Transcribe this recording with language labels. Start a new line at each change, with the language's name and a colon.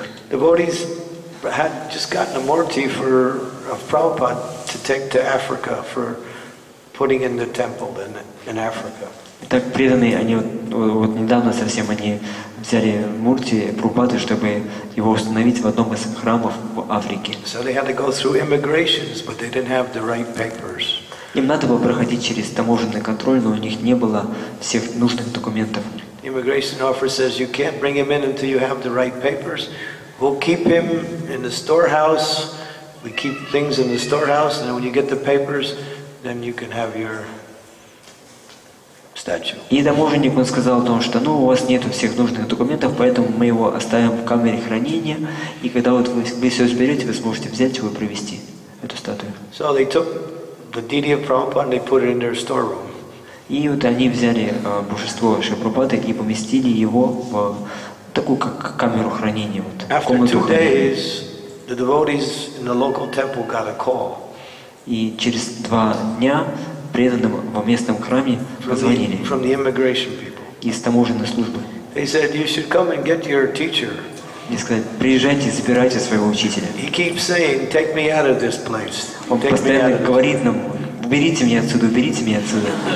English: Devotees had just gotten a murti for of Prabhupada to take to Africa for putting in the temple in Africa.
Russian: Так преданные, они вот недавно совсем они взяли мурти Прабхупады, чтобы его установить в одном из храмов в Африке.
English: So they had to go through immigrations, but they didn't have the right papers.
Russian: Им надо было проходить через таможенный контроль, но у них не было всех нужных документов.
English: Immigration officer says you can't bring him in until you have the right papers. We'll keep him in the storehouse. We keep things in the storehouse, and then when you get the papers, then you can have your statue.
Russian: И таможенник он сказал о том, что ну у вас нет всех нужных документов, поэтому мы его оставим в камере хранения, и когда вот вы все сберете, вы сможете взять его и привезти эту статую.
English: So they took the deity of Prabhupada and they put it in their storeroom.
Russian: И вот они взяли божество Шри Прабхупады и поместили его в такую как камеру хранения. Вот,
English: after two
Russian: хранения.
English: Days, the devotees in the local temple got a call.
Russian: И через два дня преданным в местном храме позвонили.
English: From the immigration people.
Russian: Из таможенной службы.
English: They said you should come and get your teacher.
Russian: И сказать, приезжайте, забирайте своего учителя.
English: He keeps saying, take me out of this place.
Russian: Он постоянно говорит нам, уберите меня отсюда, уберите меня отсюда.